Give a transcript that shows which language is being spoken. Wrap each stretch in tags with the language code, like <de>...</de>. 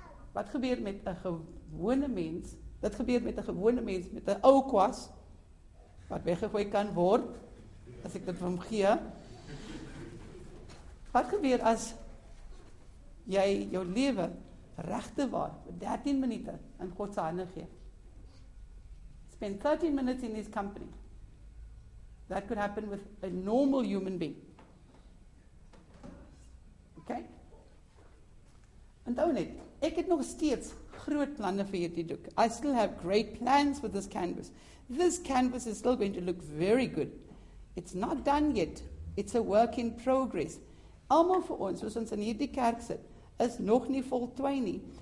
<af>Wat gebeur met 'n gewone mens? Dit gebeur met 'n gewone mens met 'n ou kwas wat weggegooi kan word as ek dit vir hom gee. Wat gebeur as jy jou lewe regte waar 13 minute in God se hande gee?</af> <en>Spend 13 minutes in his company. That could happen with a normal human being.</en> <af>Okay? Onthou net, ek het nog steeds groot planne vir hierdie doek.</af> <en>I still have great plans for this canvas. This canvas is still going to look very good. It's not done yet. It's a work in progress.</en> <af>Almal vir ons, soos ons in hierdie kerk sit, is nog nie voltooi nie.</af>